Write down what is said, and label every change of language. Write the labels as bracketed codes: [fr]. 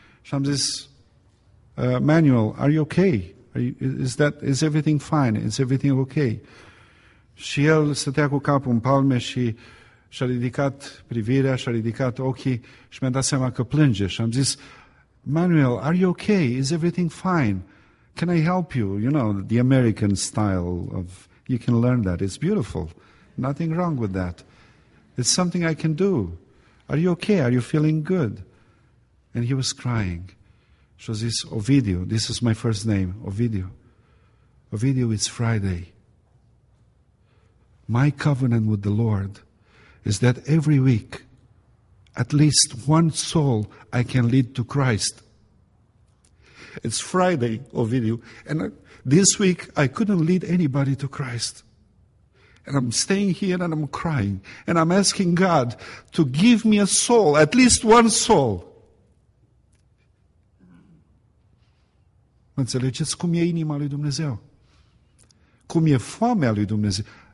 [ro] Și am zis, [en] Manuel, are you okay? Is everything fine? Is everything okay? [ro] Și el stătea cu capul în palme și și-a ridicat privirea, și-a ridicat ochii și mi-a dat seama că plânge. Și am zis, [en] Manuel, are you okay? Is everything fine? Can I help you? You know, the American style of, you can learn that. It's beautiful. Nothing wrong with that. It's something I can do. Are you okay? Are you feeling good? And he was crying. [ro] Și a zis, [en] Ovidiu, this is my first name, Ovidiu. Ovidiu, it's Friday. My covenant with the Lord is that every week, at least one soul I can lead to Christ. It's Friday, Ovidiu, and this week I couldn't lead anybody to Christ. And I'm staying here and I'm crying, and I'm asking God to give me a soul, at least one soul. [ro] Mă înțelegeți cum e inima lui Dumnezeu? Cum e foamea lui Dumnezeu?